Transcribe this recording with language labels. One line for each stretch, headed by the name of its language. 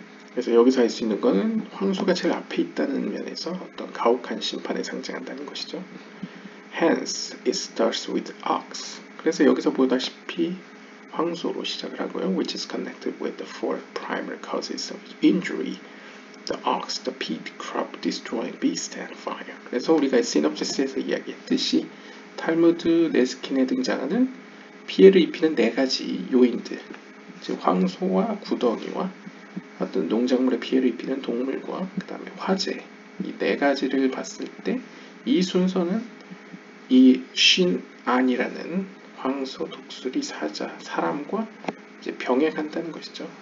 Korean: 그래서 여기서 할 수 있는 것은 황소가 제일 앞에 있다는 면에서 어떤 가혹한 심판을 상징한다는 것이죠.
English: Hence it starts with ox.
Korean: 그래서 여기서 보다시피 황소로 시작을 하고요.
English: Which is connected with the four primary causes of injury. The ox, the peat, crop, destroying beast and fire.
Korean: 그래서 우리가 시놉시스에서 이야기했듯이 탈무드 네스킨에 등장하는 피해를 입히는 네 가지 요인들, 즉 황소와 구덩이와 어떤 농작물에 피해를 입히는 동물과 그 다음에 화재, 이 네 가지를 봤을 때 이 순서는 이 신안이라는 황소, 독수리, 사자, 사람과 이제 병행한다는 것이죠.